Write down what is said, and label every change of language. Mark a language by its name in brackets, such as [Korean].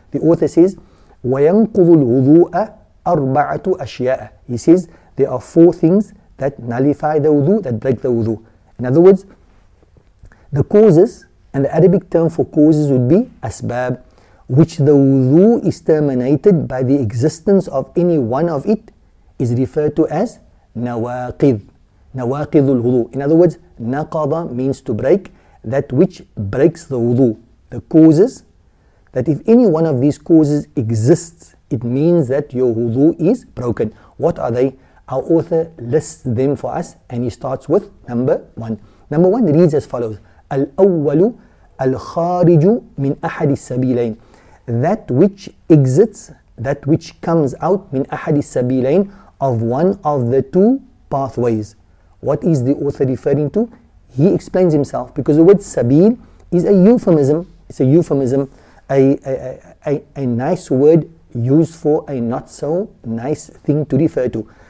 [English] The author says, [Arabic] وَيَنْقُضُ الْوُضُوءَ أَرْبَعَةُ أَشْيَاءَ. [English] He says, there are four things that nullify the wudu, that break the wudu. In other words, the causes, and the Arabic term for causes would be asbab, which the wudu is terminated by the existence of any one of it, is referred to as nawaqid. Nawaqidul wudu. In other words, naqada means to break, that which breaks the wudu. The causes, that if any one of these causes exists, it means that your wudu is broken. What are they? Our author lists them for us, and he starts with number one. Number one reads as follows. [Arabic] الأول الخارج من أحد السبيلين. [English] That which exits, that which comes out, [Arabic] من أحد السبيلين, [English] of one of the two pathways. What is the author referring to? He explains himself, because the word sabil is a euphemism. It's a euphemism, a nice word used for a not so nice thing to refer to.